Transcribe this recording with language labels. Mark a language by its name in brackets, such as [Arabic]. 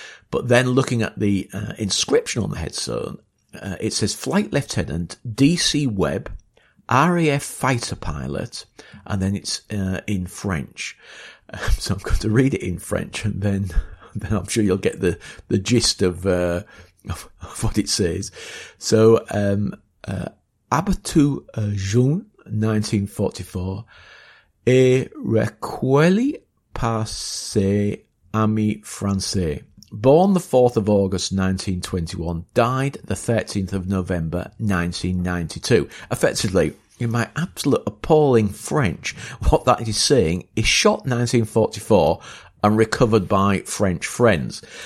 [English] But then looking at the inscription on the headstone, it says Flight Lieutenant D.C. Webb, RAF Fighter Pilot, and then it's in French. So I'm going to read it in French, and then I'm sure you'll get the gist of what it says. [French] So, Abattu June 1944, et recueilli par ses amis français. [English] Born the 4th of August 1921, died the 13th of November 1992. Effectively, in my absolute appalling French, what that is saying is shot 1944 and recovered by French friends.